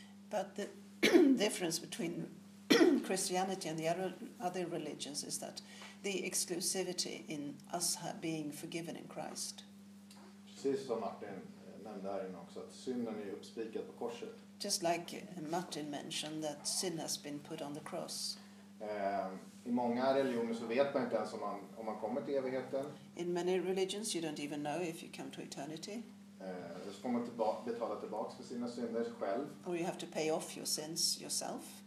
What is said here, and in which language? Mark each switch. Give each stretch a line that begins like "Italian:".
English: But the difference between Christianity and the other religions is that the exclusivity in us being forgiven in Christ.
Swedish: Precis som Martin nämnde här innan också, att synden är uppspikad på korset.
English: Just like Martin mentioned that sin has been put on the cross.
Swedish: I många religioner så vet man inte ens om man kommer till evigheten.
English: In many religions you don't even know if you come to eternity.
Swedish: Så får man betala tillbaka för sina synder själv.
English: Or you have to pay off your sins yourself.